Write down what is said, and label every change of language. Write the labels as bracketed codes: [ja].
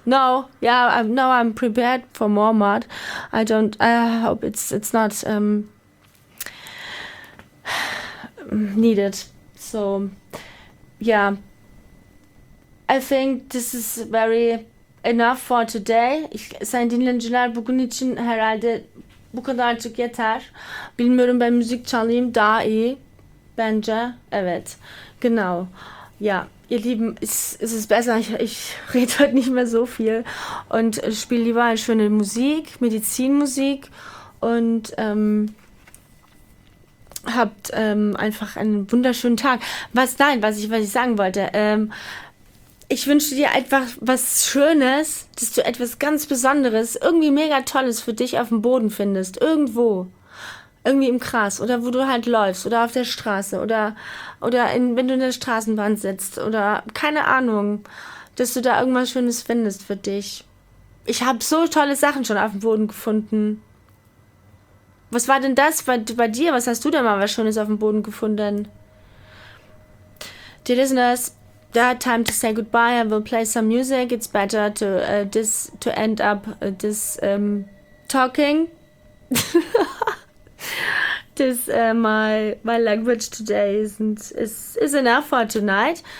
[en] I'm prepared for more mud. I hope it's not needed. So, yeah. I think this is very enough for today. [tr] Sayın dinleyiciler, bugün için herhalde bu kadarcık yeter. Bilmiyorum, ben müzik çalayım daha iyi. Bence evet. Genau. [de] Ja, ihr Lieben, es ist besser. Ich rede heute nicht mehr so viel und spiele lieber eine schöne Musik, Medizinmusik und habt einfach einen wunderschönen Tag. Was ich sagen wollte, Ich wünsche dir einfach was Schönes, dass du etwas ganz Besonderes, irgendwie mega Tolles für dich auf dem Boden findest. Irgendwo. Irgendwie im Gras oder wo du halt läufst oder auf der Straße oder in, wenn du in der Straßenbahn sitzt oder keine Ahnung, dass du da irgendwas Schönes findest für dich. Ich habe so tolle Sachen schon auf dem Boden gefunden. Was war denn das bei dir? Was hast du denn mal was Schönes auf dem Boden gefunden? [en] Dear listeners, that time to say goodbye. I will play some music. It's better to end up this talking. This my language today is enough for tonight.